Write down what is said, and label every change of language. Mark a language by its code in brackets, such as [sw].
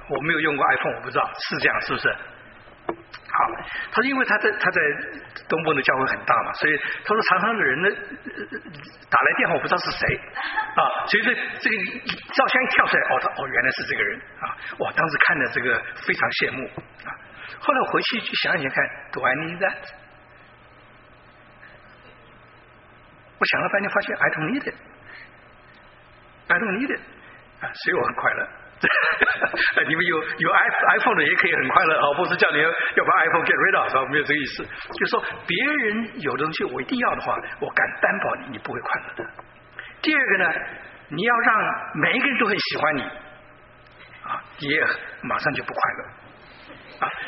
[zh] 我没有用过 iPhone， 我不知道是这样是不是？好，他说因为他在东部的教会很大嘛，所以他说常常的人呢打来电话我不知道是谁啊，所以这个照相一跳出来，哦原来是这个人啊，哇，当时看的这个非常羡慕啊。后来回去去想一想看 ， [en] Do I need that？ [zh] 我想了半天，发现 [en] I don't need it， [zh] I don't need it 啊，所以我很快乐。你们有 iPhone 的也可以很快乐啊，不是叫你要把 iPhone [en] get rid of， [zh] 没有这个意思，就是说别人有东西我一定要的话，我敢担保你不会快乐的。第二个呢，你要让每一个人都很喜欢你啊，你也马上就不快乐啊。